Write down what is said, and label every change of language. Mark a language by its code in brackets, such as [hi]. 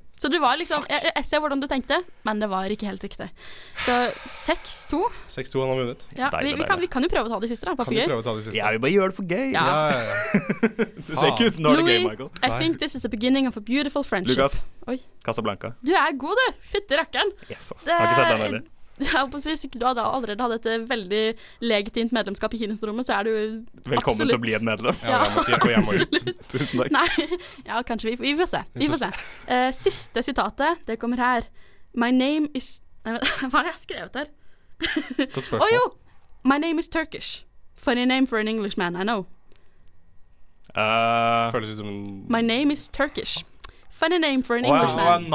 [no] Så du var liksom, jeg ser hvordan du tenkte, men det var ikke helt riktig. Så 6-2. 6-2 han har vunnet. Ja, vi kan jo prøve å ta det siste da, bare for gøy. Kan vi prøve å ta det siste? Ja, vi bare gjør det for gøy. Ja. Du ser ikke ut når det er gøy, Michael. [en] I think this is the beginning of a beautiful friendship. [no] Lucas. Oi. Casablanca. Du er god, du. Fytte rakkeren. Yes, ass. Har ikke sett den heller. Ja, hvis ikke du hadde allerede hatt et veldig legitimt medlemskap i kinesterommet, så er du absolutt... Velkommen til å bli et medlem. Ja, jeg må gå hjem og ut. Tusen takk. Nei, ja, kanskje vi får se. Siste sitatet, det kommer her. [en] My name is... [no] Nei, hva har jeg skrevet her? Godt spørsmål. Å jo! [en] My name is Turkish. Funny name for an English man, I know. [no] Føles ut som en... [en] My name is Turkish. Funny name for an English man, I know.